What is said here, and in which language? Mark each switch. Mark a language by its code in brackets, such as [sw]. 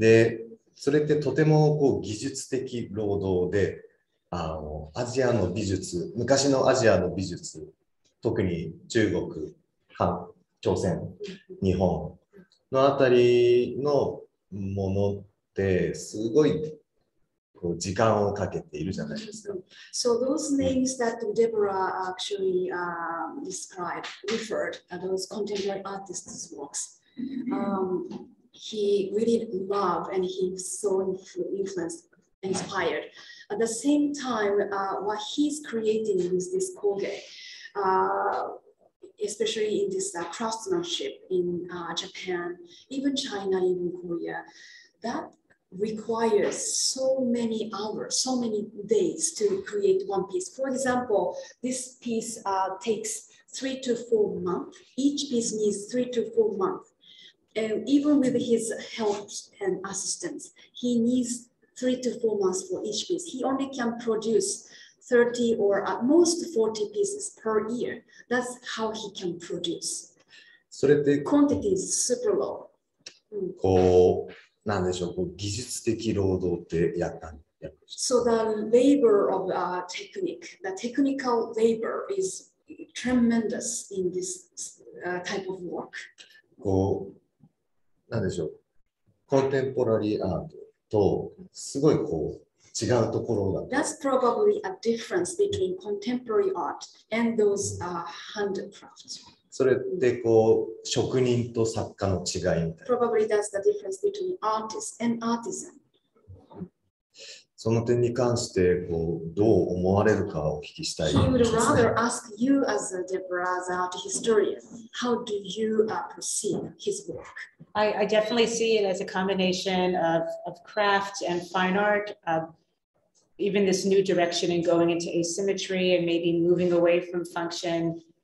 [ja] でそれってとてもこう技術的労働であのアジアの美術昔のアジアの美術特に中国朝鮮、日本のあたりのものってすごいこう時間をかけているじゃないですか。 [en] So those names that Deborah actually、described, referred, are those contemporary artists' works.、He really loved and he was so influenced, inspired. At the same time,、what he's creating with this koge,、especially in this craftsmanship in Japan, even China, even Korea, that requires so many hours, so many days to create one piece. For example, this piece takes 3 to 4 months. Each piece needs 3 to 4 months. And even with his help and assistance, he needs 3 to 4 months for each piece. He only can produce 30 or at most 40 pieces per year. That's how he can produce. [ja] それって [en] quantity is super low. [ja] こう、なんでしょう、こう技術的労働ってやったん、やった。 [en] So the labor of technique, the technical labor is tremendous in this type of work. [ja] こう、なんでしょう、コンテンポラリーアートとすごいこう違うところだ。 [en] That's probably a difference between contemporary art and those handcrafts. [ja] それでこう職人と作家の違いみたいな。 [en] Probably that's the difference between artist and artisan. [ja] その点に関してこうどう思われるかお聞きしたい。 [en] He would rather ask you as a Deborah, as an art historian, how do you perceive his work? I definitely see it as a combination of craft and fine art, even this new direction in going into asymmetry and maybe moving away from function.